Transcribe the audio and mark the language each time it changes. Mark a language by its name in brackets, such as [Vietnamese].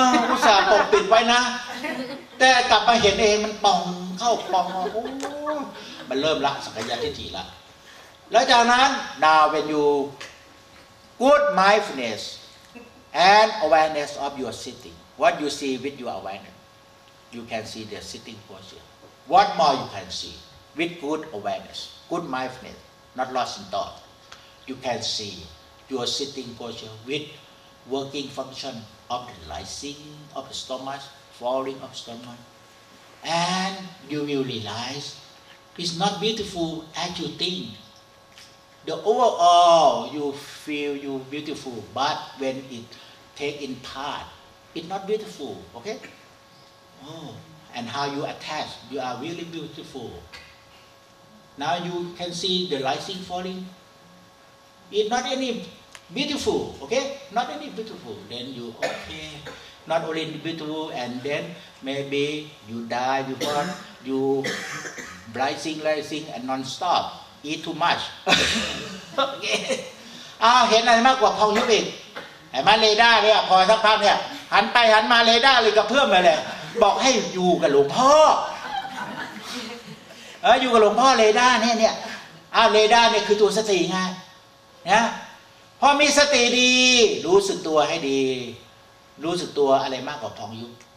[Thai] อุตส่าห์ปกปิดไว้นะแต่กลับมาเห็นเองมันป่องเข้าป่องโอ้มันเริ่มละสังขยาทิฏฐิละแล้วจากนั้น [English] now when you good mindfulness and awareness of your sitting what you see with your awareness you can see the sitting posture what more you can see with good awareness good mindfulnessNot lost in thought. You can see your sitting posture with working function of the rising of the stomach, falling of stomach. And you will realize it's not beautiful as you think. The overall, you feel you beautiful, but when it take in part, it's not beautiful, okay? Oh, and how you attach, you are really beautiful. Now you can see the rising falling. It's not any beautiful, okay? Not only beautiful, then you okay. Not only beautiful, and then maybe you die because you rising and non-stop, eat too much. Okay. [Thai] เห็นอะไรมากกว่าพองยุบอีกไอ้มาเรด้าเนี่ยพอสักพักเนี่ยหันไปหันมาเรด้าเลยกับเพื่อนมาเลยบอกให้อยู่กับหลวงพ่อ อยู่กับหลวงพ่อเรด้าเนี่ยเนี่ยเรด้าเนี่ยคือตัวสติไงนะพอมีสติดีรู้สึกตัวให้ดีรู้สึกตัวอะไรมากกว่าพองยุบ